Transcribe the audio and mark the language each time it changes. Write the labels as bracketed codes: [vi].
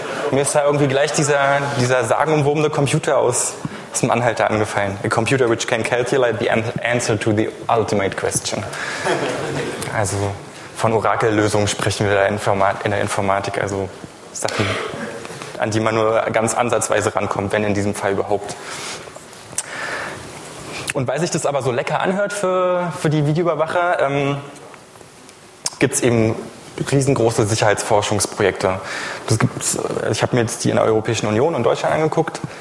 [de] Mir ist da irgendwie gleich dieser sagenumwobene Computer aus zum Anhalter angefallen. [en] A computer which can calculate the answer to the ultimate question. [de] Also von Orakellösungen sprechen wir da in der Informatik. Also Sachen, an die man nur ganz ansatzweise rankommt, wenn in diesem Fall überhaupt. Und weil sich das aber so lecker anhört für die Videoüberwacher, gibt es eben riesengroße Sicherheitsforschungsprojekte. Ich habe mir jetzt die in der Europäischen Union und Deutschland angeguckt.